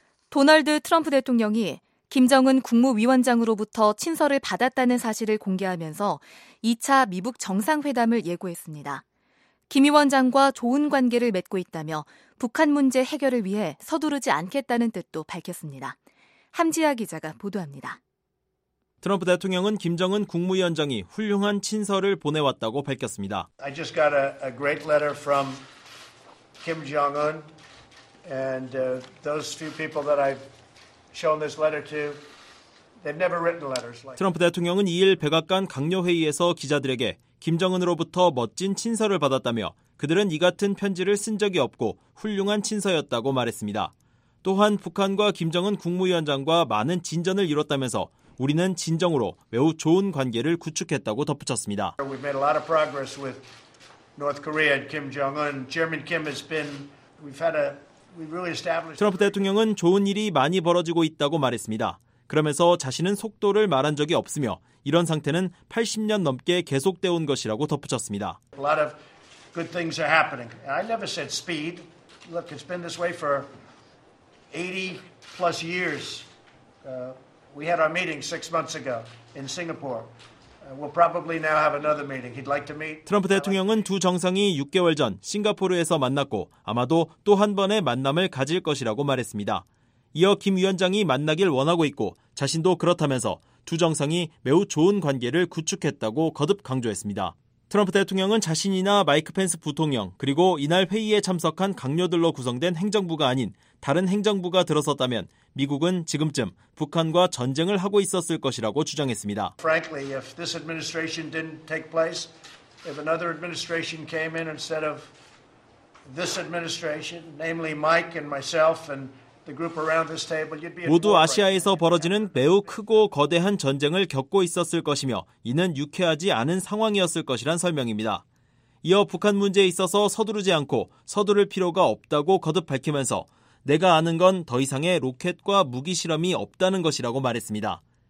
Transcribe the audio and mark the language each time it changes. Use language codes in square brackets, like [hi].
[ko] 도널드 트럼프 대통령이 김정은 국무위원장으로부터 친서를 받았다는 사실을 공개하면서 2차 미북 정상회담을 예고했습니다. 김 위원장과 좋은 관계를 맺고 있다며 북한 문제 해결을 위해 서두르지 않겠다는 뜻도 밝혔습니다. 함지아 기자가 보도합니다. 트럼프 대통령은 김정은 국무위원장이 훌륭한 친서를 보내왔다고 밝혔습니다. [en] I just got a great letter from Kim Jong-un and those few people that I've shown this letter to. They've never written letters like. [ko] 트럼프 대통령은 2일 백악관 강요 회의에서 기자들에게 김정은으로부터 멋진 친서를 받았다며 그들은 이 같은 편지를 쓴 적이 없고 훌륭한 친서였다고 말했습니다. 또한 북한과 김정은 국무위원장과 많은 진전을 이뤘다면서 우리는 진정으로 매우 좋은 관계를 구축했다고 덧붙였습니다. [en] We've made a lot of progress with North Korea and Kim Jong-un. Chairman Kim has been we've had a we really established. [ko] 트럼프 대통령은 좋은 일이 많이 벌어지고 있다고 말했습니다. 그러면서 자신은 속도를 말한 적이 없으며 이런 상태는 80년 넘게 계속되어 온 것이라고 덧붙였습니다. [en] A lot of good things are happening. I never said speed. Look, it's been this way for 80 plus years. We had our meeting 6 months ago in Singapore. We'll probably now have another meeting. He'd like to meet. [ko] 트럼프 대통령은 두 정상이 6개월 전 싱가포르에서 만났고 아마도 또 한 번의 만남을 가질 것이라고 말했습니다. 이어 김 위원장이 만나길 원하고 있고 자신도 그렇다면서 두 정상이 매우 좋은 관계를 구축했다고 거듭 강조했습니다. 트럼프 대통령은 자신이나 마이크 펜스 부통령 그리고 이날 회의에 참석한 강요들로 구성된 행정부가 아닌 다른 행정부가 들어섰다면 미국은 지금쯤 북한과 전쟁을 하고 있었을 것이라고 주장했습니다. [en] Frankly, if this administration didn't take place, if another administration came in instead of this administration, namely Mike and myself and the group around this table, you'd be. [ko] 모두 아시아에서 벌어지는 매우 크고 거대한 전쟁을 겪고 있었을 것이며 이는 유쾌하지 않은 상황이었을 것이란 설명입니다. 이어 북한 문제에 있어서 서두르지 않고 서두를 필요가 없다고 거듭 밝히면서 내가 아는 건 더 이상의 로켓과 무기 실험이 없다는 것이라고 말했습니다.